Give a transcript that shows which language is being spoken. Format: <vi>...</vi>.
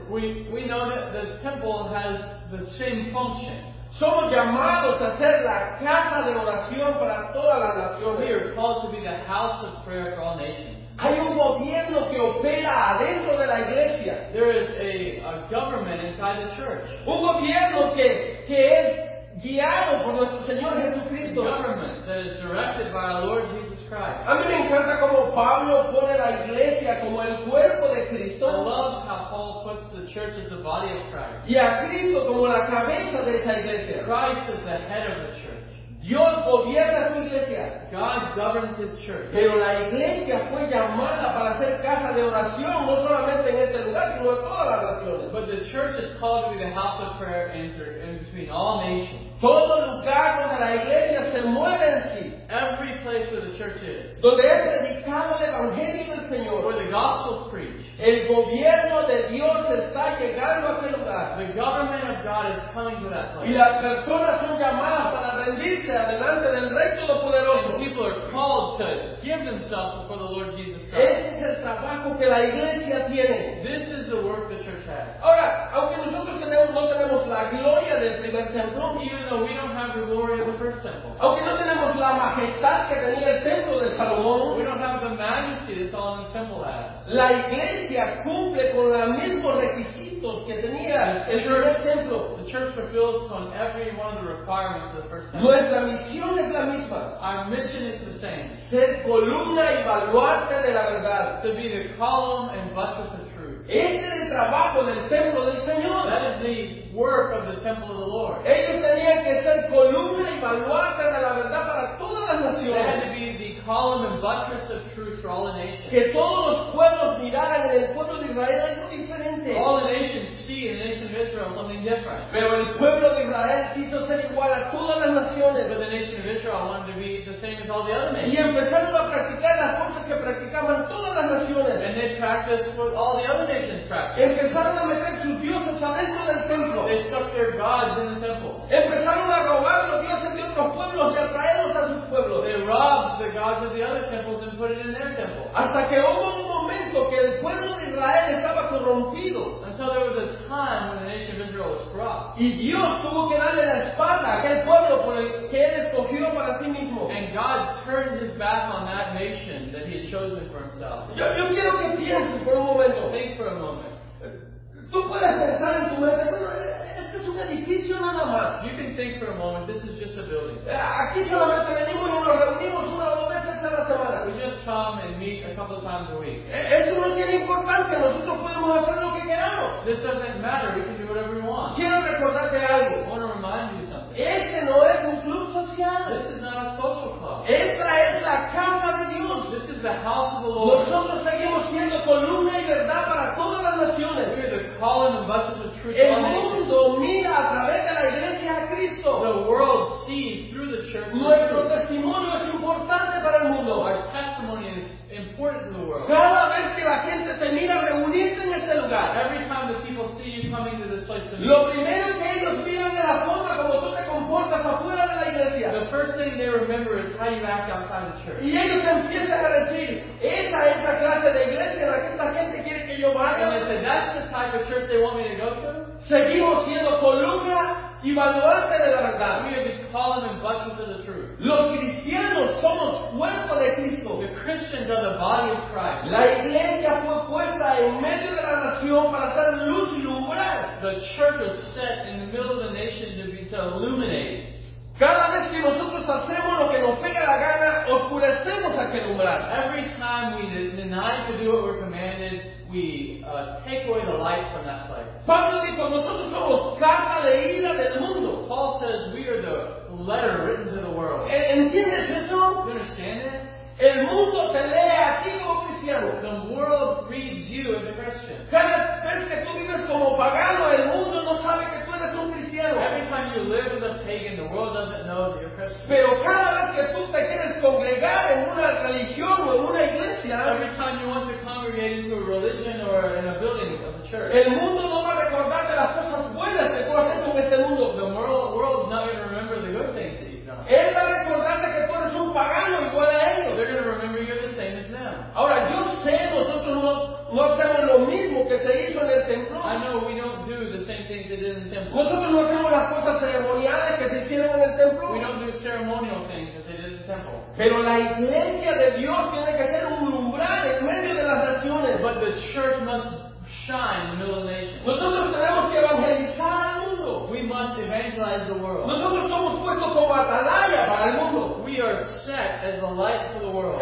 <en>We know that the temple has the same function.</en> <es>Somos llamados a ser la casa de oración para toda la nación.</es> <en>We are called to be the house of prayer for all nations.</en> <es>Hay un gobierno que opera adentro de la iglesia.</es> <en>There is a government inside the church.</en> <es>Un gobierno que es guiado por nuestro Señor Jesucristo.</es> <en>A government that is directed by our Lord Jesus Christ.</en> <es>A mí me encanta cómo Pablo pone la iglesia como el cuerpo de Cristo.</es> <en>I love how Paul puts the church as the body of Christ.</en> <es>Y a Cristo como la cabeza de esa iglesia.</es> <en>Christ is the head of the church.</en> <es>Dios gobierna su iglesia.</es> <en>God governs his church.</en> <es>Pero la iglesia fue llamada para ser casa de oración, no solamente en este lugar, sino en todas las naciones.</es> <en>But the church is called to be the house of prayer in between all nations.</en> <es>Todo lugar donde la iglesia se mueve en sí.</es> <en>Every place where the church is.</en> <es>Donde es predicado el evangelio del Señor.</es> <en>Where the gospel is preached.</en> <es>El gobierno de Dios está llegando a ese lugar.</es> <en>The government of God is coming to that place.</en> <es>Y las personas son llamadas para rendirse adelante del Rey Todopoderoso.</es> <en>People are called to give themselves before the Lord Jesus Christ.</en> <es>Es el trabajo que la iglesia tiene.</es> <en>This is the work the church has.</en> <es>Ahora, aunque nosotros no tenemos la gloria del primer templo,</es> <en>even though we don't have the glory of the first temple,</en> <es>aunque no tenemos la majestad que tenía el templo de Salomón,</es> <en>we don't have the majesty that Solomon's temple had,</en> <es>la iglesia cumple con los mismos requisitos que tenía el primer templo.</es> <en>The church fulfills on every one of the requirements of the first temple.</en> <es>Nuestra misión es la misma.</es> <en>Our mission is the same.</en> <es>Ser columna y baluarte de la verdad.</es> <en>To be the column and buttress of truth.</en> <es>Este es el trabajo del templo del Señor.</es> <en>That is the work of the temple of the Lord.</en> <es>Ellos tenían que ser columna y baluarte de la verdad para todas las naciones.</es> <en>They had to be the column and buttress of truth for all the nations.</en> <es>Que todos los pueblos miraran en el pueblo de Israel algo diferente.</es> <en>All the nations see in the nation of Israel something different.</en> <es>Pero el pueblo de Israel quiso ser igual a todas las naciones.</es> <en>But the nation of Israel wanted to be the same as all the other nations.</en> <es>Y empezaron a practicar las cosas que practicaban todas las naciones.</es> <en>And they practiced what all the other nations practiced.</en> <es>Empezaron a meter sus dioses adentro del templo.</es> <en>They stuck their gods in the temple.</en> <es>Empezaron a robar los dioses de otros pueblos y a traerlos a sus pueblos.</es> <en>They robbed the gods of the other temples and put it in their temple.</en> <es>Hasta que hubo un momento que el pueblo de Israel estaba corrompido.</es> <en>Until there was a time when the nation of Israel was corrupt.</en> <es>Y Dios tuvo que darle la espalda a aquel pueblo por el que él escogió para sí mismo.</es> <en>And God turned his back on that nation that he had chosen for himself.</en> <es>Yo quiero que pienses por un momento.</es> <en>Think for a moment.</en> <es>Tú puedes pensar en tu mente, este es un edificio nada más.</es> <en>You can think for a moment, this is just a building.</en> <es>Aquí solamente venimos y nos reunimos una o dos veces a la semana.</es> <en>We just come and meet a couple of times a week.</en> <es>Esto no tiene importancia, nosotros podemos hacer lo que queramos.</es> <en>This doesn't matter, we can do whatever we want.</en> <es>Quiero recordarte algo.</es> <en>I want to remind you something.</en> <es>Este no es un club social.</es> <en>This is not a social club.</en> <es>Esta es la casa de Dios.</es> <en>This is the house of the Lord.</en> <es>Nosotros seguimos siendo columna y verdad para todas las naciones.</es> <en>Calling the buses of truth.</en> <es>El mundo mira a través de la iglesia a Cristo.</es> <en>The world sees through the church.</en> <es>Nuestro testimonio es importante para el mundo.</es> <en>Our testimony is important to the world.</en> <es>Cada vez que la gente te mira reunirte en este lugar.</es> <en>Every time the people see you coming to this place to meet.</en> <es>Lo primero que ellos miran es la forma como tú te comportas afuera de la iglesia.</es> <en>The first thing they remember is how you act outside the church.</en> <es>Y ellos empiezan a decir, esta clase de iglesia la que esta gente quiere que yo vaya.</es> <en>And they say, that's the type of church they want me to go to.</en> <es>Seguimos siendo columna y baluarte de la verdad.</es> <en>We have been calling and buttons of the truth.</en> <es>Los cristianos somos cuerpo de Cristo.</es> <en>The Christians are the body of Christ.</en> <es>La iglesia fue puesta en medio de la nación para ser luz y lumbrar.</es> <en>The church was set in the middle of the nation to be to illuminate.</en> <es>Cada vez que nosotros hacemos lo que nos pega la gana, oscurecemos aquel umbral.</es> <en>Every time we deny to do what we're commanded, we take away the light from that place.</en> <es>Pablo dijo, nosotros somos carta leída del mundo.</es> <en>Paul says, we are the letter written to the world.</en> <es>¿Entiendes eso?</es> <en>Do you understand it?</en> <es>El mundo te lee a ti como cristiano.</es> <en>The world reads you as a Christian.</en> <es>Cada vez que tú vives como pagano, el mundo no sabe que tú eres un cristiano.</es> <en>Every time you live as a pagan, the world doesn't know that you're Christian.</en> <es>Pero cada vez que tú te quieres congregar en una religión o en una iglesia,</es> <en>every time you want to congregate into a religion or in a building of the church,</en> <es>el mundo no va a recordar de las cosas buenas que tú haces con este mundo.</es> <en>The world is not going to remember the good things that you've done.</en> <es>Él va a recordarte que tú eres un pagano igual a ellos.</es> <en>They're going to remember you're the same as them.</en> <es>Ahora, yo sé, nosotros no hacemos lo mismo que se hizo en el templo.</es> <en>I know we don't do the same thing they did in the temple.</en> <es>Nosotros no hacemos las cosas ceremoniales que se hicieron en el templo.</es> <en>We don't do ceremonial things that they did in the temple.</en> <es>Pero la iglesia de Dios tiene que ser un umbral en medio de las naciones.</es> <en>But the church must shine in the middle of the nation.</en> <es>Nosotros tenemos que evangelizar al mundo.</es> <en>We must evangelize the world.</en> <es>Nosotros somos puestos como atalaya para el mundo.</es> <en>We are set as the light for the world.</en>